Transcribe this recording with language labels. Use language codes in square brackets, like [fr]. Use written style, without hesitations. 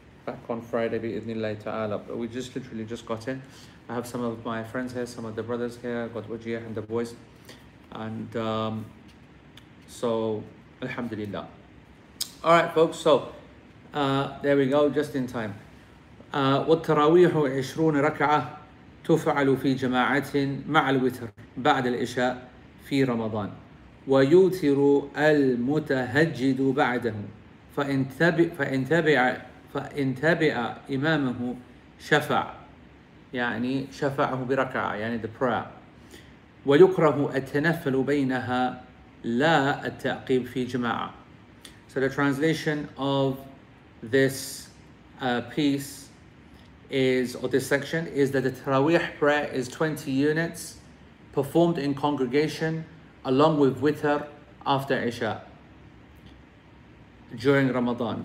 [en] Back on Friday, [ar] bi-idhnillahi ta'ala. [en] But we just literally just got in. I have some of my friends here, some of the brothers here, got Wajih and the boys. And so, alhamdulillah. All right, folks, so there we go, just in time. [ar] والتراويح 20 ركعة تفعل في جماعة مع الوتر بعد العشاء في رمضان. ويوتر المتهجد بعده فإن تبع إمامه شفع يعني شفعه بركعة يعني [en] the prayer. [ar] ويكره التنفل بينها لا التعقيب في جماعة. [en] So the translation of this piece is, or this section, is that the Taraweeh prayer is 20 units performed in congregation along with witr after Isha during Ramadan.